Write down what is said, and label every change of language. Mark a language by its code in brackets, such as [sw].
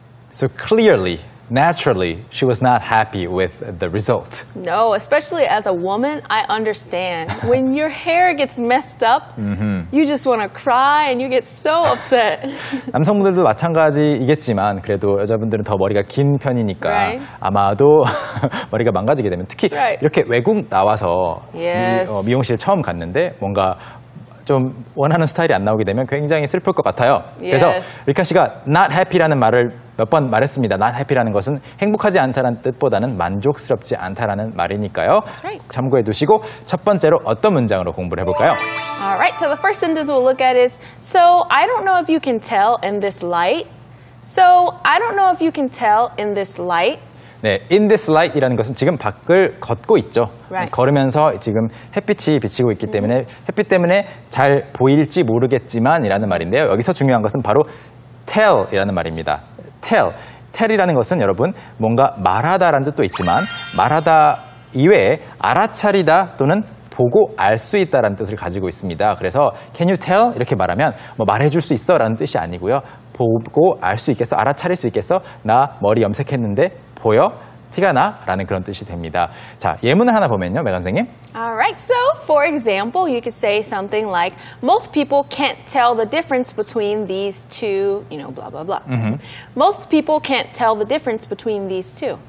[en] So clearly, naturally, she was not happy with the result. No, especially as a woman, I understand. When your hair gets messed up, you just want to cry and you get so upset. [ko] 남성분들도 마찬가지이겠지만 그래도 여자분들은 더 머리가 긴 편이니까 아마도 머리가 망가지게 되면 특히 이렇게 외국 나와서 미용실 처음 갔는데 뭔가 좀 원하는 스타일이 안 나오게 되면 굉장히 슬플 것 같아요. 그래서 리카 씨가 [en] not happy [ko] 라는 말을 몇 번 말했습니다. [en] not happy [ko] 라는 것은 행복하지 않다라는 뜻보다는 만족스럽지 않다라는 말이니까요. [en] That's right. [ko] 참고해 두시고 첫 번째로 어떤 문장으로 공부를 해볼까요? [en] All right, so the first sentence we'll look at is So I don't know if you can tell in this light. So I don't know if you can tell in this light. [ko] 네, [en] in this light [ko] 이라는 것은 지금 밖을 걷고 있죠. [en] Right. [ko] 걸으면서 지금 햇빛이 비치고 있기 때문에 햇빛 때문에 잘 보일지 모르겠지만이라는 말인데요. 여기서 중요한 것은 바로 tell이라는 말입니다. [en] tell. [ko] tell이라는 것은 여러분 뭔가 말하다라는 뜻도 있지만 말하다 이외에 알아차리다 또는 보고 알 수 있다라는 뜻을 가지고 있습니다. [en] 그래서 can you tell? [ko] 이렇게 말하면 뭐 말해줄 수 있어? 라는 뜻이 아니고요. 보고 알 수 있겠어? 알아차릴 수 있겠어? 나 머리 염색했는데 보여? 티가 나? 라는 그런 뜻이 됩니다. 자, 예문을 하나 보면요, 메간 선생님. [en] Alright, so for example, you could say something like most people can't tell the difference between these two, you know, blah, blah, blah. Mm-hmm. Most people can't tell the difference between these two.